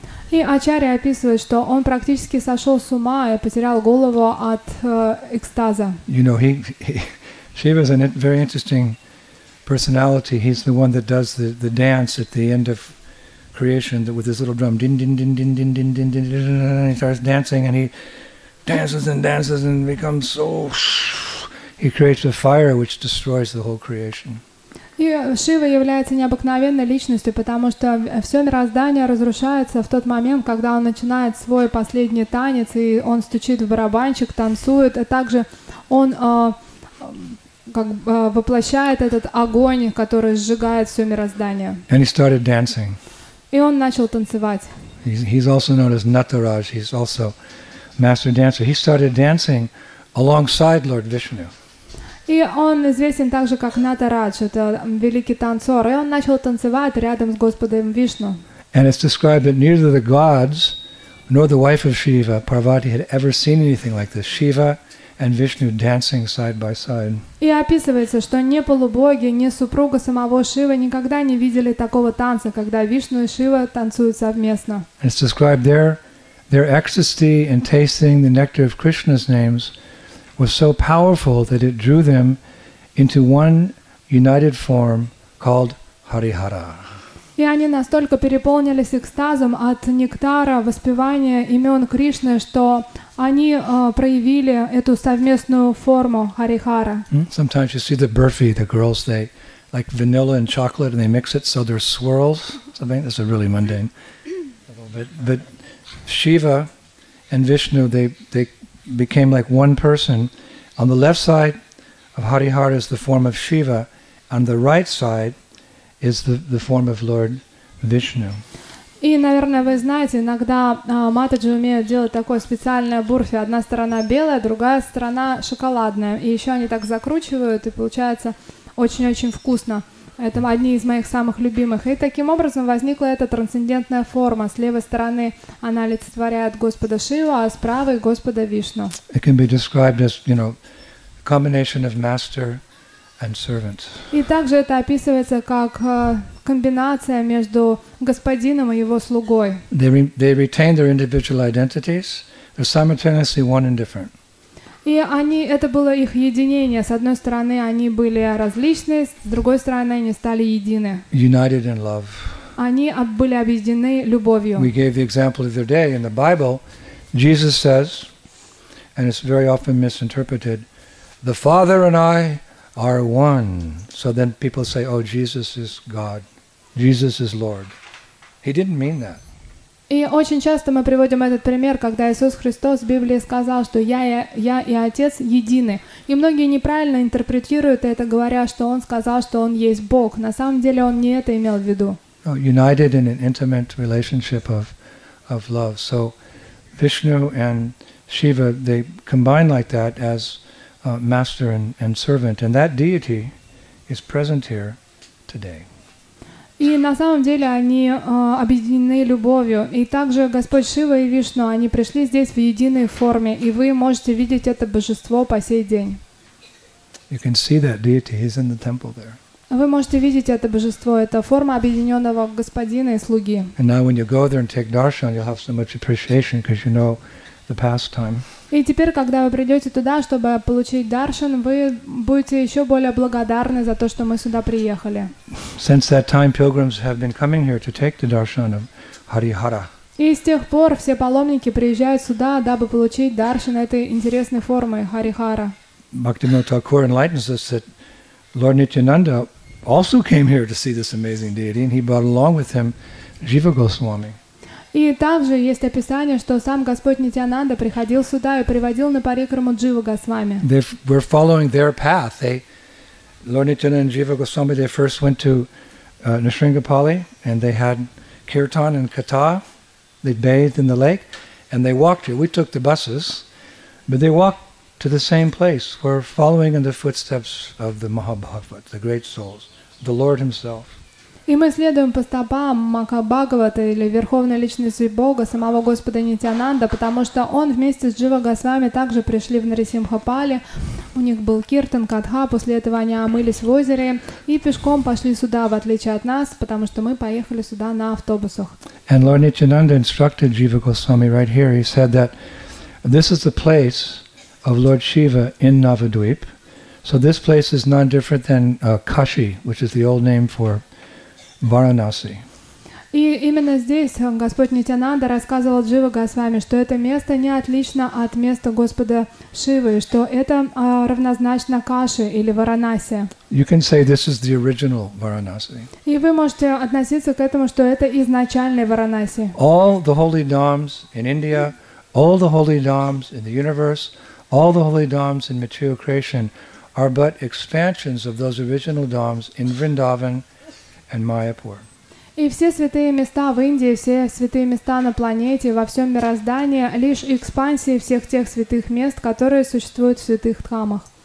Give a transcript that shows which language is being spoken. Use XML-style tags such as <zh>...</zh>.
<ru>И Ачарья описывает, что он практически сошел с ума и потерял голову от экстаза.</ru> <en>You know, Shiva is a very interesting personality. He's the one that does the dance at the end of creation with his little drum. Din din din din din din din din din din. And he starts dancing, and he dances and becomes so. He creates a fire which destroys the whole creation.</en> <ru>И Шива является необыкновенной личностью, потому что все мироздание разрушается в тот момент, когда он начинает свой последний танец, и он стучит в барабанчик, танцует, а также он как воплощает этот огонь, который сжигает все мироздание.</ru> <en>And he started dancing.</en> <ru>И он начал танцевать.</ru> <en>He's also known as Nataraj. He's also master dancer. He started dancing alongside Lord Vishnu.</en> <ru>И он известен также как Натарадж, это великий танцор. И он начал танцевать рядом с Господом Вишну.</ru> <en>And it's described that neither the gods nor the wife of Shiva, Parvati, had ever seen anything like this. Shiva and Vishnu dancing side by side.</en> <ru>И описывается, что ни полубоги, ни супруга самого Шивы никогда не видели такого танца, когда Вишну и Шива танцуют совместно.</ru> <en>And it's described their ecstasy in tasting the nectar of Krishna's names was so powerful that it drew them into one united form called Harihara.</en> <ru>И они настолько переполнились экстазом от нектара воспевания имен Кришны, что они проявили эту совместную форму харихара.</ru> <en>Sometimes you see the burfi, the girls, they like vanilla and chocolate, and they mix it so there's swirls. Something this is really mundane. But Shiva and Vishnu, they became like one person. On the left side of Harihara is the form of Shiva, on the right side is the form of Lord Vishnu.</en> <ru>И, наверное, вы знаете, иногда матаджи умеют делать такое специальное бурфи. Одна сторона белая, другая сторона шоколадная. И еще они так закручивают, и получается очень-очень вкусно. Это одни из моих самых любимых. И таким образом возникла эта трансцендентная форма. С левой стороны она олицетворяет Господа Шиву, а с правой — Господа Вишну.</ru> <en>It can be described as, you know, combination of master and servant.</en> <ru>И также это описывается как комбинация между господином и его слугой.</ru> <en>They retain their individual identities, they're simultaneously one and different.</en> <ru>И они, это было их единение. С одной стороны, они были различны, с другой стороны, они стали едины.</ru> <en>United in love.</en> <ru>Они были объединены любовью.</ru> <en>We gave the example of their day in the Bible. Jesus says, and it's very often misinterpreted, the Father and I are one. So then people say, oh, Jesus is God. Jesus is Lord. He didn't mean that.</en> <ru>И очень часто мы приводим этот пример, когда Иисус Христос в Библии сказал, что я и Отец едины. И многие неправильно интерпретируют это, говоря, что Он сказал, что Он есть Бог. На самом деле Он не это имел в виду.</ru> <en>United in an intimate relationship of love. So Vishnu and Shiva, they combine like that as master and servant. And that deity is present here today.</en> <ru>И на самом деле они объединены любовью. И также Господь Шива и Вишну, они пришли здесь в единой форме. И вы можете видеть это божество по сей день.</ru> <en>You can see that deity. He's in the temple there.</en> <ru>Вы можете видеть это божество. Это форма объединенного господина и слуги.</ru> <en>And now when you go there and take darshan, you'll have so much appreciation because you know the pastime.</en> <ru>И теперь, когда вы придете туда, чтобы получить даршан, вы будете еще более благодарны за то, что мы сюда приехали.</ru> <en>Since that time, pilgrims have been coming here to take the darshan of Harihara.</en> <ru>И с тех пор все паломники приезжают сюда, дабы получить даршан этой интересной формы Харихара.</ru> <en>Bhaktivinoda Thakur enlightens us that Lord Nityananda also came here to see this amazing deity, and he brought along with him Jiva Goswami.</en> <ru>И также есть описание, что сам Господь Нитьянанда приходил сюда и приводил на парикраму Джива Госвами.</ru> <en>We're following their path. Lord Nityananda and Jiva Goswami, they first went to Nisringapali, and they had kirtan and katha. They bathed in the lake, and they walked here. We took the buses, but they walked to the same place. We're following in the footsteps of the Mahabhagavat, the great souls, the Lord Himself.</en> <ru>И мы следуем по стопам Махабхагавата или Верховной Личности Бога, самого Господа Нитьянанда, потому что он вместе с Джива Госвами также пришли в Нарисимхапали. У них был киртан, катха, после этого они омылись в озере и пешком пошли сюда, в отличие от нас, потому что мы поехали сюда на автобусах.</ru> <en>And Lord Nityananda instructed Jiva Goswami right here. He said that this is the place of Lord Shiva in Navadvip. So this place is not different than Kashi, which is the old name for Varanasi.</en> <ru>И именно здесь Господь Нитьянанда рассказывал Джива Госвами, что это место не отлично от места Господа Шивы, что это равнозначно Каши или Варанаси.</ru> <en>You can say this is the original Varanasi.</en> <ru>И вы можете относиться к этому, что это изначальный Варанаси.</ru> <en>All the holy dhams in India, all the holy dhams in the universe, all the holy dhams in material creation are but expansions of those original dhams in Vrindavan and Mayapur.</en> <ru>И все святые места в Индии, все святые места на планете, во всем мироздании — лишь экспансии всех тех святых мест, которые существуют в святых дхамах.</ru>